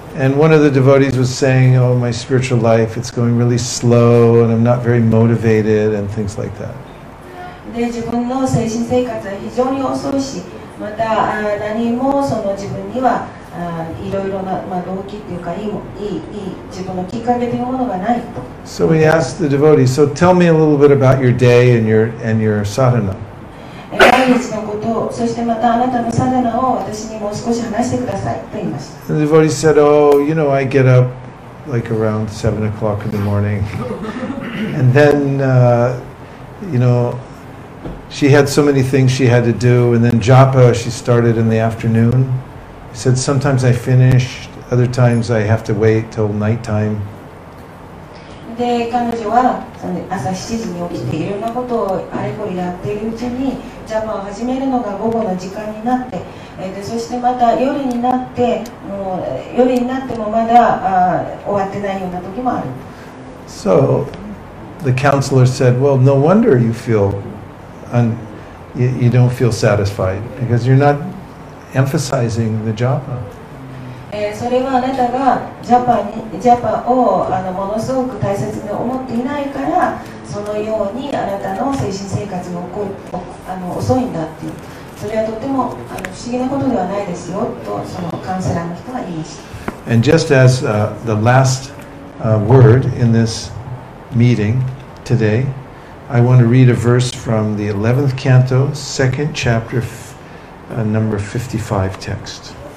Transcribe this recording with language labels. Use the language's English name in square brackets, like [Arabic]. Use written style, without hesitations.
[English] And one of the devotees was saying, oh, my spiritual life, it's going really slow, and I'm not very motivated, and things like that. [Japanese] で、自分の精神生活は非常に遅いし、また、何もその自分には、いろいろな、まあ、動機というか、いい自分のきっかけというものがないと。 [English] So we asked the devotee, so tell me a little bit about your day and your sadhana. And the devotee said, oh, you know, I get up like around 7 o'clock in the morning. And then, you know, she had so many things she had to do. And then japa, she started in the afternoon. He said, sometimes I finish, other times I have to wait till nighttime. [Japanese] で彼女はその朝7時に起きていろんなことをあれこれやっているうちにジャマを始めるのが午後の時間になって、でそしてまた夜になってもう夜になってもまだ終わってないような時もある。 [English] So the counselor said, well, no wonder you feel you don't feel satisfied because you're not emphasizing the japa. [Japanese] それはあなたがジャパをものすごく大切に思っていないからそのようにあなたの精神生活が遅いんだっていう。それはとても不思議なことではないですよとそのカウンセラーの人は言いました。 [English] And just as the last word in this meeting today, I want to read a verse from the 11th canto, 2nd chapter, number 55 text.